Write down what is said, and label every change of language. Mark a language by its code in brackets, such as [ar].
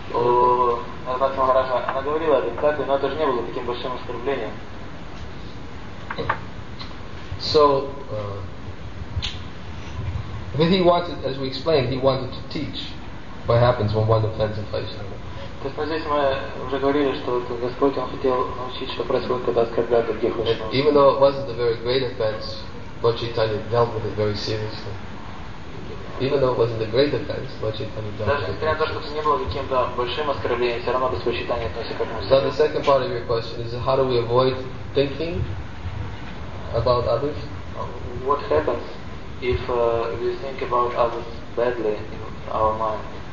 [ru] Она говорила о результате, но это же не было таким большим оскорблением. [en] So, he wanted, as we explained, he wanted to teach what happens when one offends a Vaishnava. [ru] То есть, здесь мы уже говорили, что Господь, Он хотел научить, что происходит, когда оскорбляют других Вайшнавов. [en] Even though it wasn't a very great offense, Lord Chaitanya dealt with it very seriously. Even though it wasn't a great offense, Lord Chaitanya dealt with it. [ru] Даже несмотря на то, что это не было каким-то большим оскорблением, все равно Господь Чайтанья относится к этому. [en] So, the second part of your question is, how do we avoid thinking about others? What happens if we think about others badly in our mind?